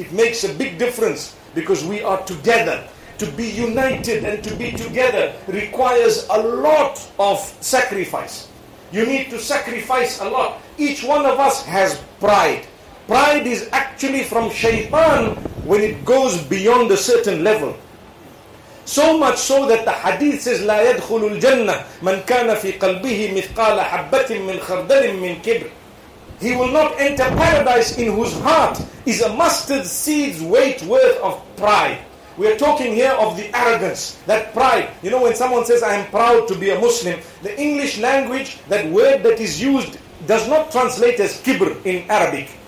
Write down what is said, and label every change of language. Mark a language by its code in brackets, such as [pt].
[en] It makes a big difference, because we are together. To be united and to be together requires a lot of sacrifice. You need to sacrifice a lot. Each one of us has pride. Pride is actually from shaitan when it goes beyond a certain level. So much so that the hadith says, [ar] لا يدخل الجنة من كان في قلبه مثقال حبة من خردل من كبر. [en] He will not enter paradise in whose heart is a mustard seed's weight worth of pride. We are talking here of the arrogance, that pride. You know, when someone says, I am proud to be a Muslim, the English language, that word that is used, does not translate as kibr in Arabic.